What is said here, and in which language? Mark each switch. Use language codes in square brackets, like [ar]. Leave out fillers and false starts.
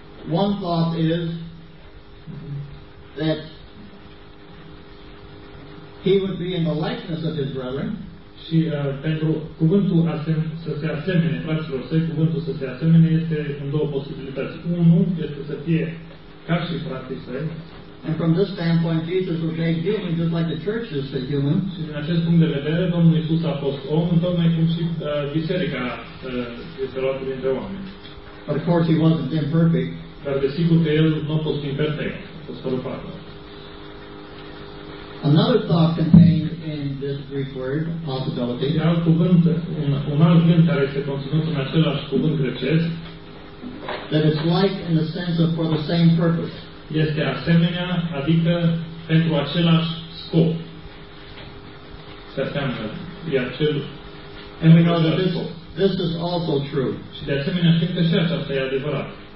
[en] one thought is that he would be in the likeness of his brethren. [ro] Și pentru cuvântul să se asemene, fraților săi, cuvântul să se asemene este în două posibilități. Unul este să fie ca și frații săi. [en] And from this standpoint, Jesus was made human just like the church is a human. [ro] Și din acest punct de vedere, Domnul Iisus a fost om, tocmai cum și biserica este luată dintre oameni. [en] But of course he wasn't imperfect. [ro] Dar desigur că el nu a fost imperfect, a fost corupat. [en] Another thought contained in this Greek word, possibility. [ro] Un alt cuvânt, un alt gând care este conținut în același cuvânt grecesc. [en] That it's like in the sense of for the same purpose. [ro] Este asemenea, adică pentru același scop. Se asemenea, iar cel. [en] And we know that this is also true. [ro] Și de asemenea, știm că și aceasta e adevărat.